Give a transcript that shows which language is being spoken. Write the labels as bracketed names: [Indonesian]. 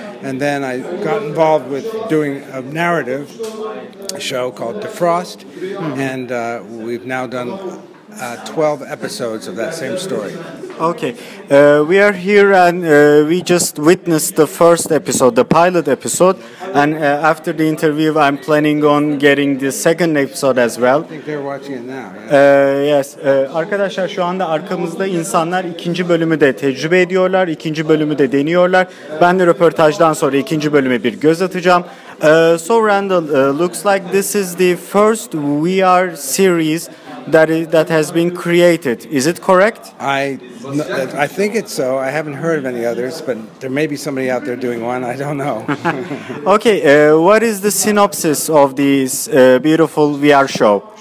[English] And then I got involved with doing a narrative, a show called Defrost, and we've now done 12 episodes of that same story. Okay, we are here and we just witnessed the first episode, the pilot episode, and after the interview I'm planning on getting the second episode as well. I think they're watching it now. [Turkish] Yes, arkadaşlar şu anda arkamızda insanlar ikinci bölümü de tecrübe ediyorlar, ikinci bölümü de deniyorlar. Ben de röportajdan sonra ikinci bölüme bir göz atacağım. [English] So Randall, looks like this is the first VR series that has been created. Is it correct? I think it's so. I haven't heard of any others, but there may be somebody out there doing one. I don't know. Okay, what is the synopsis of this beautiful VR show?